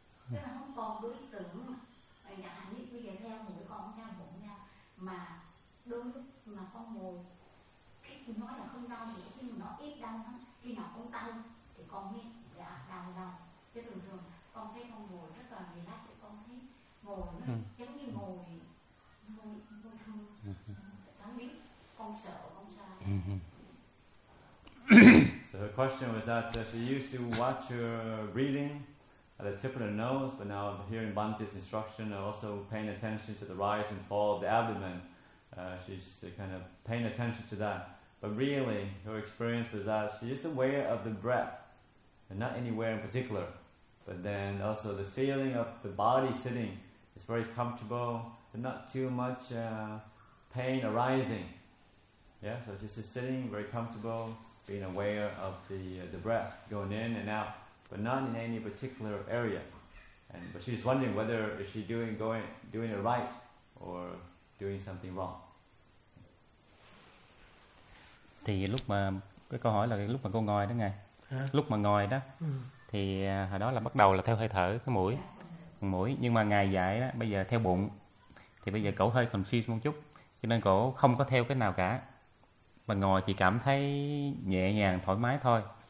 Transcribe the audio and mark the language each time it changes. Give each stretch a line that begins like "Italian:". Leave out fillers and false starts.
Vietnamese: Tức là không còn đối tượng mà chẳng hạn như bây giờ theo mũi con theo bụng nha, mà đôi lúc mà con ngồi cái nói là không đau vậy, nhưng mà nó ít đau lắm. Khi nào con tăng con biết dạ đau đau, chứ thường thường con thấy con ngồi rất là relax, sẽ con thấy ngồi nó giống như ngồi thương, không biết con sợ con sao.
English: So her question was that she used to watch her breathing at the tip of her nose, but now hearing Bhante's instruction and also paying attention to the rise and fall of the abdomen, she's kind of paying attention to that. But really, her experience was that she is aware of the breath, and not anywhere in particular, but then also the feeling of the body sitting is very comfortable, but not too much pain arising. Yeah, so just sitting, very comfortable, being aware of the breath going in and out, but not in any particular area. But she's wondering whether is she doing it right or doing something wrong.
Vietnamese: Thì lúc mà cái câu hỏi là cái lúc mà cô ngồi đó ngài, lúc mà ngồi đó thì hồi đó là bắt đầu là theo hơi thở cái mũi, nhưng mà ngài dạy đó bây giờ theo bụng, Thì bây giờ cậu hơi confused một chút, cho nên cậu không có theo cái nào cả, mà ngồi chỉ cảm thấy nhẹ nhàng thoải mái thôi.